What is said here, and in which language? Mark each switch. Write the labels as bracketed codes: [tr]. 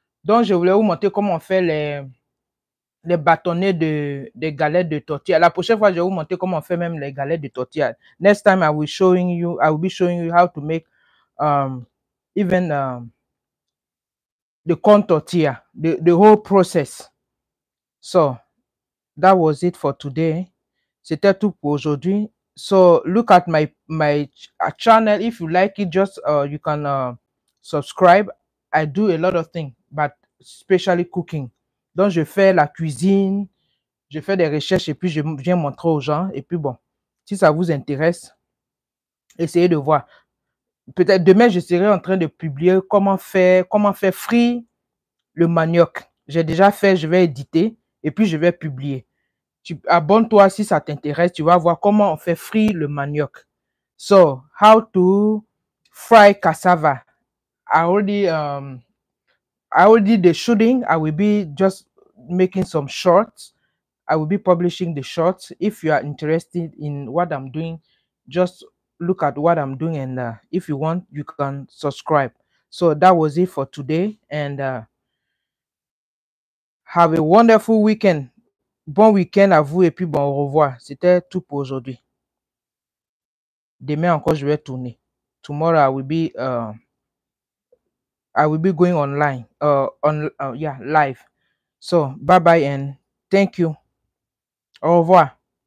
[fr] Donc, je voulais vous montrer comment on fait les bâtonnets de galettes de tortilla. La prochaine fois, je vais vous montrer comment on fait même les galettes de tortilla. [en] Next time, I will be showing you how to make the corn tortilla, the whole process. So, that was it for today. [fr] C'était tout pour aujourd'hui. [en] So, look at my channel. If you like it, just you can subscribe. I do a lot of things, but especially cooking. [fr] Donc, je fais la cuisine, je fais des recherches et puis je viens montrer aux gens. Et puis bon, si ça vous intéresse, essayez de voir. Peut-être demain, je serai en train de publier comment faire frire le manioc. J'ai déjà fait, je vais éditer et puis je vais publier. Abonne-toi si ça t'intéresse, tu vas voir comment on fait frire le manioc. [en] So, how to fry cassava. I already the shooting. I will be just making some shorts. I will be publishing the shorts. If you are interested in what I'm doing, just look at what I'm doing. And if you want, you can subscribe. So that was it for today. And have a wonderful weekend. [fr] Bon weekend à vous et puis bon au revoir. C'était tout pour aujourd'hui. Demain encore, je vais tourner. [en] Tomorrow I will be going online, live. So, bye-bye and thank you. [fr] Au revoir.